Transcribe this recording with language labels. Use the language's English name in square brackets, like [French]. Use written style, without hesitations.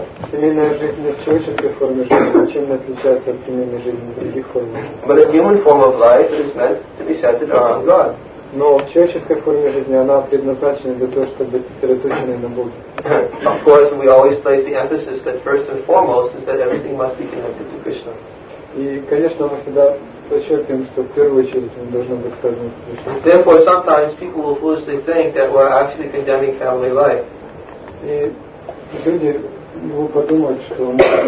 [Russian] Семейная жизнь в человеческой форме жизни очень отличается от семейной жизни в других формах. [English] But a human form of life is meant to be centered around God. [Russian] Но в человеческой форме жизни она предназначена для того, чтобы быть сосредоточенной на Боге. [English] Of course, we always place the emphasis that first and foremost is that everything must be connected to Krishna. [Russian] И, конечно, мы всегда подчеркиваем, что в первую очередь мы должны быть связаны с Кришной. [English] Therefore, sometimes people will foolishly think that we're actually condemning family life. [Russian] И люди могут подумать, что мы